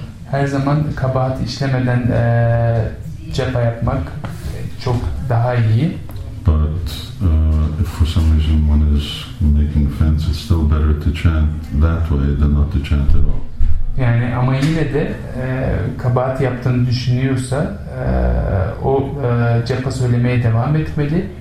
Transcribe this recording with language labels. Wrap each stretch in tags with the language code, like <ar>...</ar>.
<tr>Her zaman kabahat işlemeden japa yapmak çok daha iyi.</tr> <en>But if for some reason one is making offense, it's still better to chant that way than not to chant at all.</en> <tr>Yani ama yine de kabahat yaptığını düşünüyorsa o japa söylemeye devam etmeli.</tr>